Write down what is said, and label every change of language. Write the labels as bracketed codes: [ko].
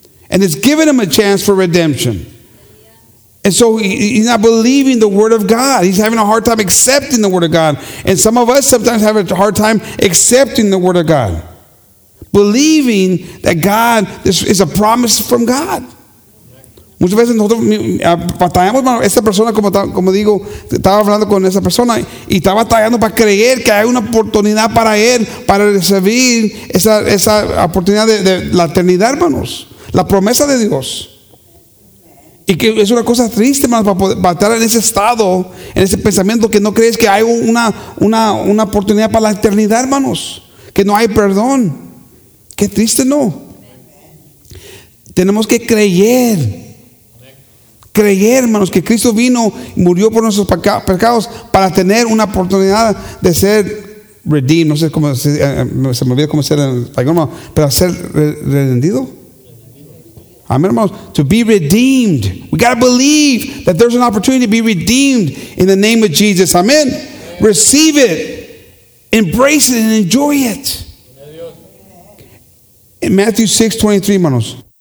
[en] And it's given him a chance for redemption. And so he's not believing the word of God. He's having a hard time accepting the word of God. And some of us sometimes have a hard time accepting the word of God. Believing that God, this is a promise from God. [es] Muchas veces nosotros batallamos, esa persona, como digo, estaba hablando con esa persona y estaba batallando para creer que hay una oportunidad para él, para recibir esa oportunidad de la eternidad, hermanos. La promesa de Dios. Y que es una cosa triste, hermanos, para estar en ese estado, en ese pensamiento, que no crees que hay una oportunidad para la eternidad, hermanos. Que no hay perdón. Qué triste, ¿no? Tenemos que creer. Creer, hermanos, que Cristo vino y murió por nuestros pecados para tener una oportunidad de ser redeemed. No sé cómo se me olvida cómo ser en español, hermano, pero ser redendido. Amén, hermanos. [en] To be redeemed. We got to believe that there's an opportunity to be redeemed in the name of Jesus. Amén. Receive it. Embrace it and enjoy it. In Matthew 6:23, hermanos.